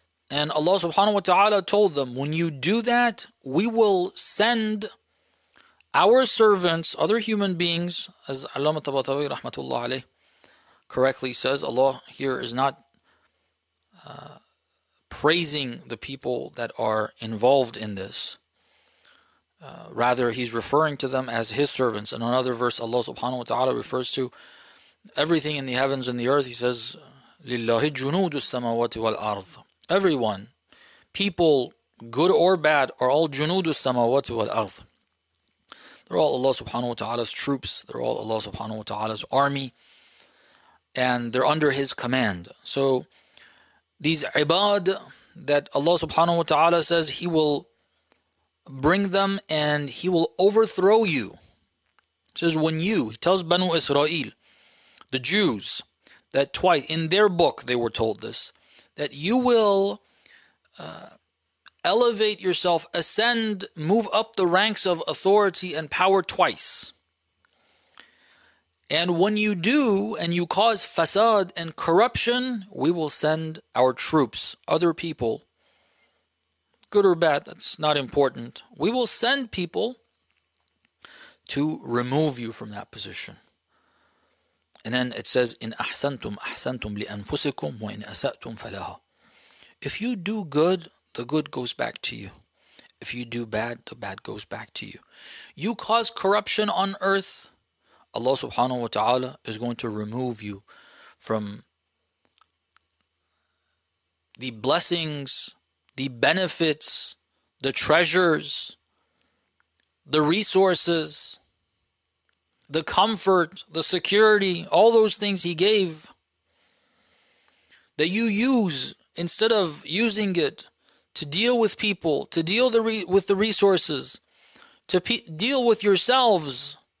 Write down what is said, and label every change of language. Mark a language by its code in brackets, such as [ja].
[en] And Allah subhanahu wa ta'ala told them, when you do that, we will send our servants, other human beings, as Allama Tabatawi rahmatullah alayh correctly says, Allah here is not praising the people that are involved in this. Rather, he's referring to them as his servants. In another verse, Allah subhanahu wa ta'ala refers to everything in the heavens and the earth. He says, [ar] لِلَّهِ جُنُودُ السَّمَوَاتِ وَالْأَرْضِ. [en] Everyone, people, good or bad, are all [ar] جُنُودُ السَّمَوَاتِ وَالْأَرْضِ. [en] They're all Allah subhanahu wa ta'ala's troops. They're all Allah subhanahu wa ta'ala's army. And they're under his command. So these ibad that Allah subhanahu wa ta'ala says he will bring them and he will overthrow you. He says when you, he tells Banu Israel, the Jews, that twice in their book they were told this, that you will elevate yourself, ascend, move up the ranks of authority and power twice. And when you do, and you cause fasad and corruption, we will send our troops, other people, good or bad, that's not important. We will send people to remove you from that position. And then it says, [ar] إِنْ أَحْسَنْتُمْ أَحْسَنْتُمْ لِأَنفُسِكُمْ وَإِنْ أَسَأْتُمْ فَلَهَا. [en] If you do good, the good goes back to you. If you do bad, the bad goes back to you. You cause corruption on earth, Allah subhanahu wa ta'ala is going to remove you from the blessings, the benefits, the treasures, the resources, the comfort, the security, all those things he gave that you use instead of using it to deal with people, to deal with the resources, to deal with yourselves.